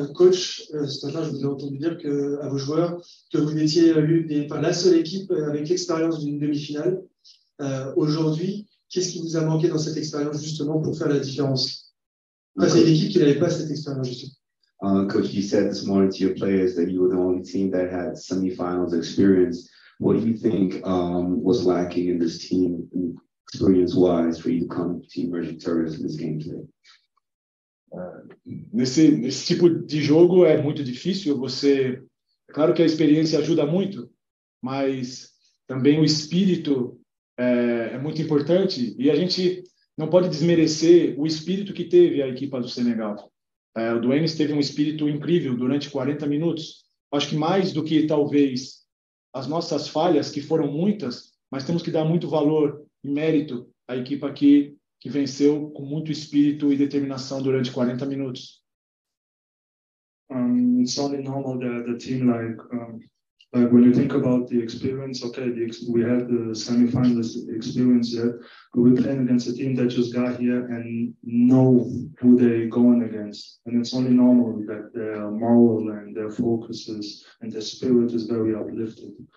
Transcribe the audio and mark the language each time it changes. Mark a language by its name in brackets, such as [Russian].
[French] Coach, ce matin, je vous ai entendu dire que, à vos joueurs que vous étiez la seule équipe avec l'expérience d'une demi-finale. Aujourd'hui, qu'est-ce qui vous a manqué dans cette expérience justement pour faire la différence? Parce que c'est une équipe qui n'avait pas cette expérience justement. [English] Coach, you said this morning to your players that you were the only team that had semifinals experience. What do you think was lacking in this team experience-wise for you to come to Emerging Terrorists in this game today? [Portuguese] Nesse tipo de jogo é muito difícil. Você, é claro que a experiência ajuda muito, mas também o espírito é muito importante. E a gente não pode desmerecer o espírito que teve a equipa do Senegal. O Duenes teve um espírito incrível durante 40 minutos. Acho que mais do que talvez as nossas falhas, que foram muitas, mas temos que dar muito valor e mérito à equipa que venceu com muito espírito e determinação durante 40 minutos. [English] It's only normal that the team, like when you think about the experience, okay, we have the semifinals experience here, but we're playing against a team that just got here and know who they're going against. And it's only normal that their moral and their focuses and their spirit is very uplifted.